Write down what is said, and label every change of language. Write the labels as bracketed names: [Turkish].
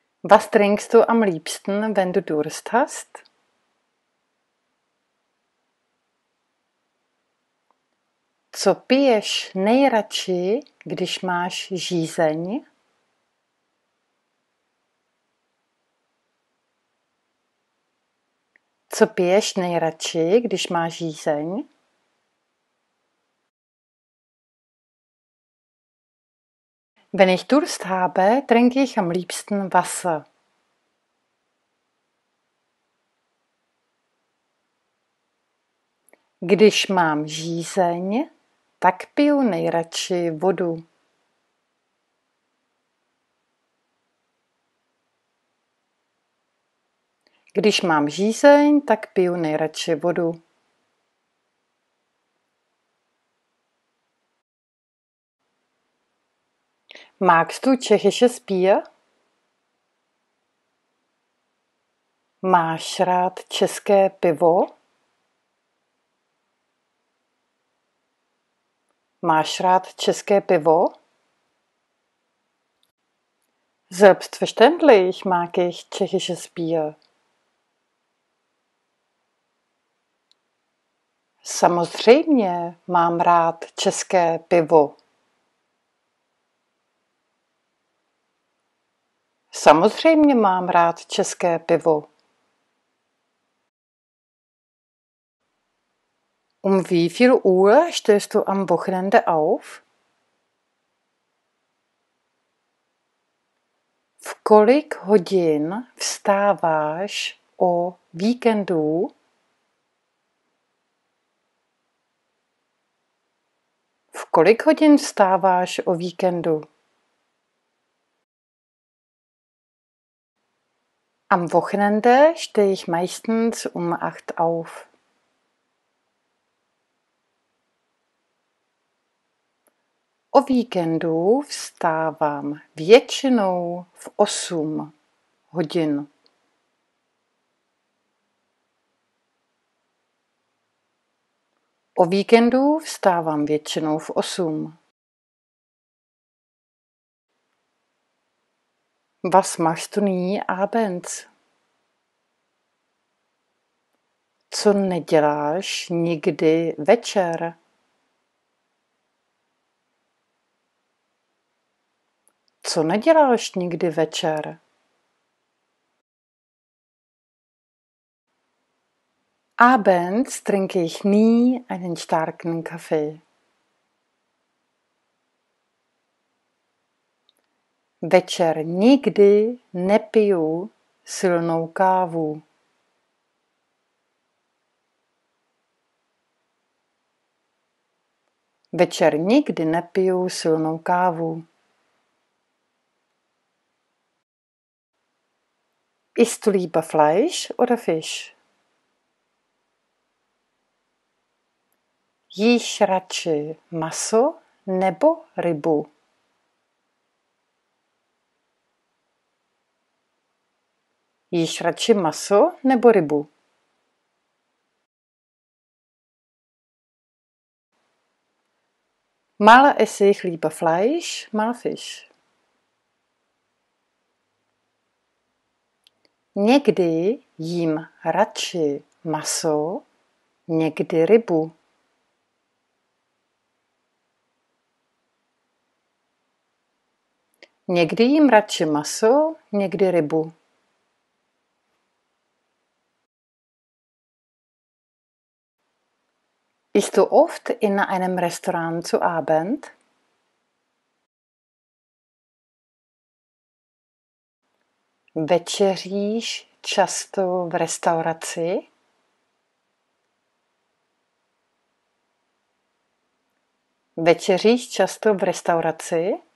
[German] Was trinkst du am liebsten, wenn du Durst hast? [Czech] Co piješ nejradši, když máš žízeň? Co piješ nejradši, když máš žízeň? [German] Wenn ich Durst habe, trinke ich am liebsten Wasser. [Czech] Když mám žízeň, tak piju nejradši vodu. Když mám žízeň, tak piju nejradši vodu. [German] Magst du tschechisches Bier? [Czech] Máš rád české pivo? Máš rád české pivo? [German] Selbstverständlich mag ich tschechisches Bier. [Czech] Samozřejmě mám rád české pivo. Samozřejmě mám rád české pivo. [German] Wie viel Uhr stehst du am Wochenende auf? [Czech] V kolik hodin vstáváš o víkendu? V kolik hodin vstáváš o víkendu? [German] Am Wochenende stehe ich meistens um 8 auf. [Czech] O víkendu vstávám většinou v 8 hodin. O víkendu vstávám většinou v 8. [German] Was machst du nie abends? [Czech] Co neděláš nikdy večer? Co neděláš nikdy večer? [German] Abends trinke ich nie einen starken Kaffee. [Czech] Večer nikdy nepiju silnou kávu. Večer nikdy nepiju silnou kávu. [German] Isst du lieber Fleisch oder Fisch? [Czech] Jíš radši maso nebo rybu? Jíš radši maso nebo rybu? [German] Mal esse ich lieber Fleisch, mal Fisch. [Czech] Někdy jím radši maso, někdy rybu. Někdy jím radši maso, někdy rybu. [German] Isst du oft in einem Restaurant zu Abend? [Czech] Večeříš často v restauraci? Večeříš často v restauraci?